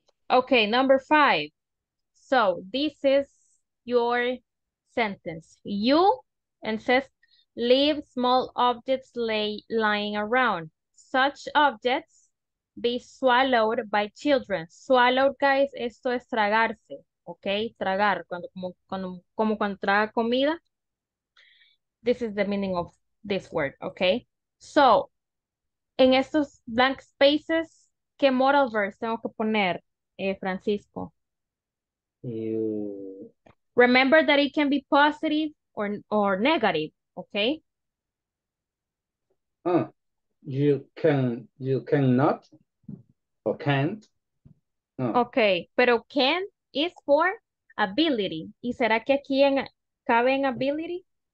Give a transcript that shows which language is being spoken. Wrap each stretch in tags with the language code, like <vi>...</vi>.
<en>Okay, number five. So this is your sentence. You, and says, leave small objects lying around. Such objects be swallowed by children. Swallowed, guys,</en> <es>esto es tragarse. Okay, tragar, cuando traga comida.</es> <en>This is the meaning of this word, okay?</en> <es>So, en estos blank spaces, ¿qué modal verbs tengo que poner, Francisco?</es> <en>You... Remember that it can be positive or negative, okay? You cannot or can't. Okay,</en> <es>pero</es> <en>can is for ability.</en> <es>¿Y será que aquí en, cabe en ability?</es>